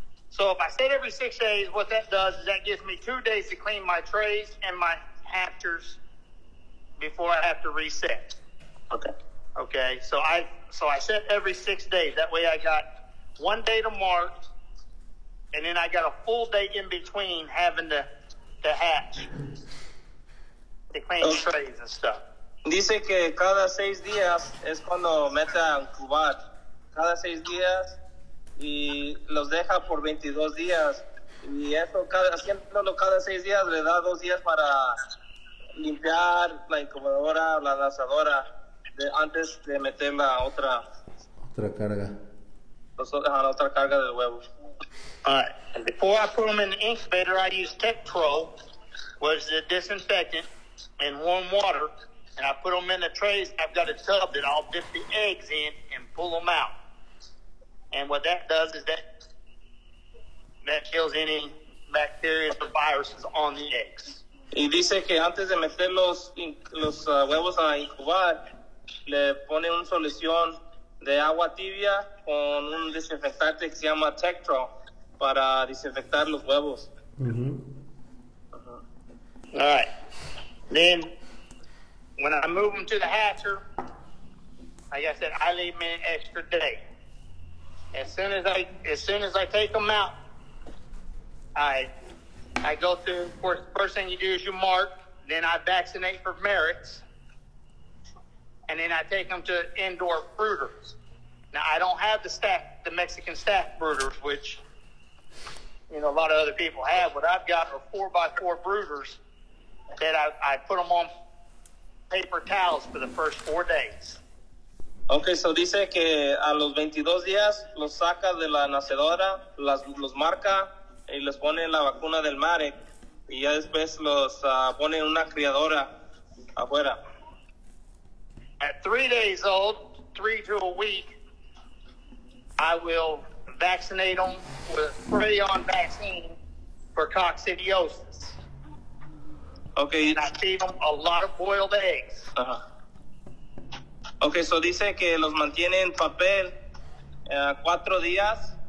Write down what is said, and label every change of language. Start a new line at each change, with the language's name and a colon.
English: So if I sit every 6 days, what that does is that gives me 2 days to clean my trays and my hatchers before I have to reset. Okay. Okay, so I set every 6 days. That way I got 1 day to mark, and then I got a full day in between having to hatch, to clean trays and stuff.
Spanish: Dice que cada 6 días es cuando mete a incubar. Cada 6 días y los deja por 22 días. Y eso, haciéndolo cada 6 días, le da 2 días para limpiar la incubadora, la lanzadora. Antes de meter la otra carga. Otra carga de huevos.
English: Alright. Before I put them in the incubator, I use Tektro, which is a disinfectant, in warm water. And I put them in the trays. I've got a tub that I'll dip the eggs in and pull them out. And what that does is that kills any bacteria or viruses on the eggs.
Spanish: Y dice que antes de meter los huevos a incubar, le pone una solución de agua tibia con un desinfectante que se llama Tektro para desinfectar los huevos.
English: Mm-hmm. All right. Then, when I move them to the hatcher, like I said, I leave them an extra day. As soon as I take them out, I go through. Of course, first thing you do is you mark. Then I vaccinate for merits. And then I take them to indoor brooders. Now, I don't have the Mexican staff brooders, which you know, a lot of other people have. What I've got are 4x4 brooders that I put them on paper towels for the first 4 days.
Spanish: Okay, so dice que a los 22 días los saca de la nacedora, los marca y les pone la vacuna del mare y ya después los pone en una criadora afuera.
English: At 3 days old, 3 to a week, I will vaccinate them with prion vaccine for coccidiosis. Okay. And I feed them a lot of boiled eggs. Uh-huh.
Spanish: Okay, so dice que los mantiene en papel 4 días.